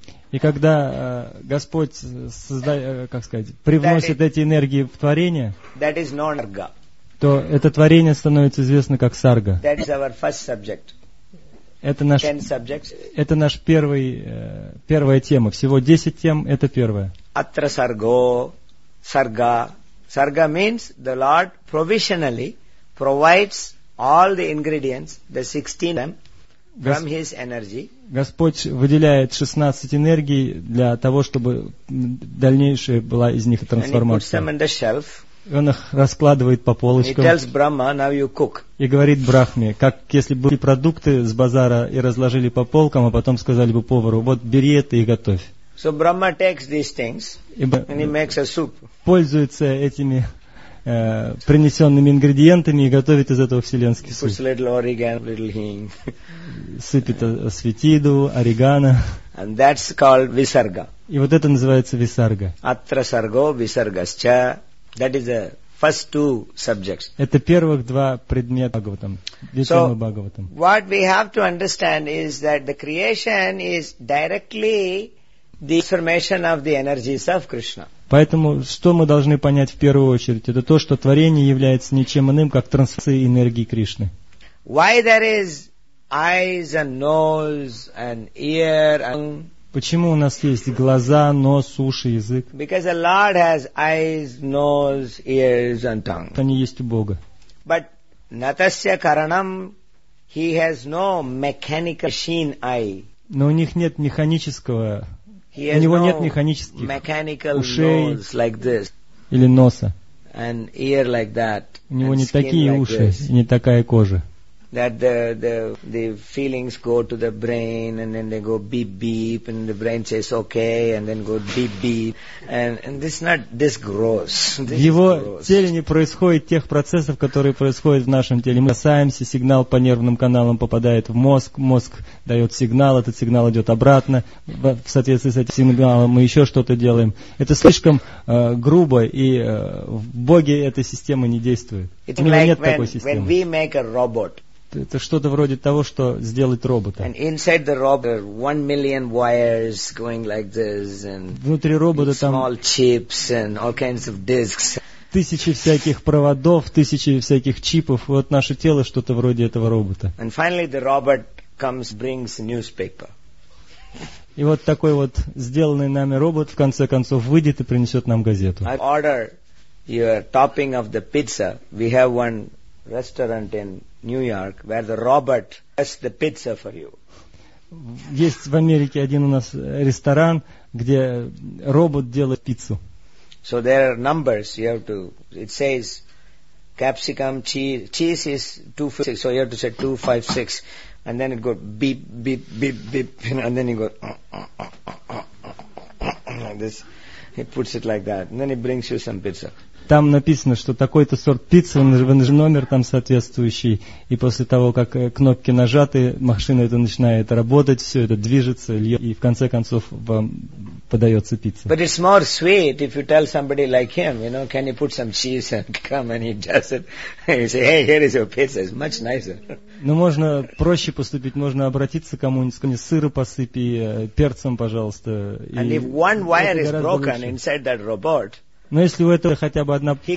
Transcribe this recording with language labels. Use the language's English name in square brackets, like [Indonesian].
[Russian] И когда Господь привносит эти энергии в творение, [English] that is non-arga. [Russian] То это творение становится известно как сарга. [English] That is our first subject. [Russian] Это наш первый, первая тема. Всего 10 тем, это первая. [Sanskrit] Атра сарго, сарга. [English] Сарга means the Lord provisionally provides all the ingredients, the 16 of them, from His energy. [Russian] Господь выделяет 16 энергий для того, чтобы дальнейшая была из них трансформация. [English] And He puts them on the shelf. [Russian] И он их раскладывает по полочкам. [English] He tells Brahma, now you cook. [Russian] И говорит Брахме, как если бы были продукты с базара и разложили по полкам, а потом сказали бы повару, вот бери это и готовь. [English] So Brahma takes these things and he makes a soup. [Russian] Пользуется этими принесенными ингредиентами и готовит из этого вселенский суп. [English] Puts a little oregano, little hing. [Russian] Сыпет светиду, орегано. [English] And that's called visarga. [Russian] И вот это называется висарга. [Sanskrit] Атра сарго висаргасча. [English] That is the first two subjects. [Russian] Это первых два предмета Бхагаватам. [English] So, what we have to understand is that the creation is directly the formation of the energies of Krishna. [Russian] Поэтому, что мы должны понять в первую очередь, это то, что творение является ничем иным, как трансформация энергии Кришны. [English] Why there is eyes and nose and ear and... [Russian] Почему у нас есть глаза, нос, уши, язык? [English] Because the Lord has eyes, nose, ears and tongue. [Russian] Они есть у Бога. [English] But natasya karanam, he has no mechanical machine eye. [Russian] Но у них нет механического, у него нет механических ушей или носа. [English] And ear like that. [Russian] У него не такие уши, не такая кожа. [English] That the feelings go to the brain and then they go beep beep and the brain says okay and then go beep beep and this is not this gross. [Russian] В его теле не происходит тех процессов, которые происходят в нашем теле. Мы касаемся, сигнал по нервным каналам попадает в мозг, мозг дает сигнал, этот сигнал идет обратно в соответствии с этим сигналом. Мы еще что-то делаем. Это слишком грубо и в Боге эта система не действует. У него нет такой системы. [English] When we make a robot. [Russian] Это что-то вроде того, что сделать робота. [English] And inside the robot, 1 million wires going like this, and [Russian] внутри робота там [English] small chips and all kinds of discs. [Russian] Тысячи всяких проводов, тысячи всяких чипов. Вот наше тело что-то вроде этого робота. [English] And finally the robot comes, brings newspaper. [Russian] И вот такой вот сделанный нами робот в конце концов выйдет и принесет нам газету. [English] I order your topping of the pizza. We have one restaurant in New York, where the robot does the pizza for you. [Russian] Есть в Америке один у нас ресторан, где робот делает пиццу. [English] So there are numbers you have to. It says capsicum, cheese is 256. So you have to say 256, and then it goes beep beep beep beep, and then it goes like this. It puts it like that, and then it brings you some pizza. [Russian] Там написано, что такой-то сорт пиццы, номер там соответствующий, и после того, как кнопки нажаты, машина это начинает работать, все это движется, льет, и в конце концов вам подается пицца. [English] But it's more sweet if you tell somebody like him, you know, can you put some cheese and come and he does it, and you say, hey, here is your pizza, it's much nicer. [Russian] Ну, можно проще поступить, можно обратиться к кому-нибудь, сказать, сыра посыпи, перцем, пожалуйста. [English] And if one wire is broken [Russian] лучше. [English] Inside that robot, [Russian] но если у этого хотя бы одна